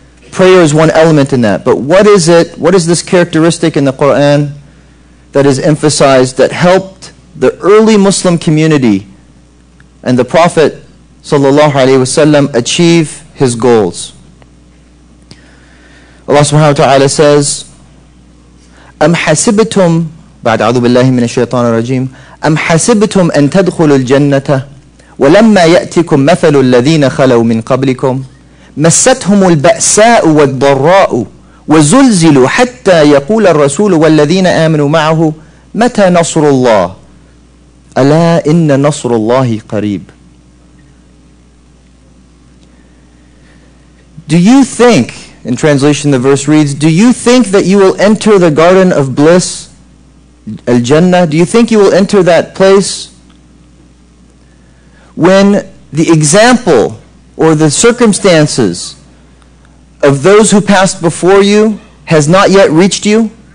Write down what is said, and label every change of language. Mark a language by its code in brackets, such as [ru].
[en] Prayer is one element in that. But what is it, what is this characteristic in the Quran that is emphasized that helped the early Muslim community and the Prophet sallallahu alaihi wasallam achieve his goals? Allah subhanahu wa ta'ala says, [ar] Am hasibtum, بعد أعوذ بالله من الشيطان الرجيم أم حسبتم أن تدخلوا الجنة ولما يأتكم مثل الذين خلوا من قبلكم مستهم البأساء والضراء وزلزلوا حتى يقول الرسول والذين آمنوا معه متى نصر الله ألا إن نصر الله قريب. [en] Do you think, in translation the verse reads, do you think that you will enter the garden of bliss, Al-Jannah, do you think you will enter that place when the example or the circumstances of those who passed before you has not yet reached you?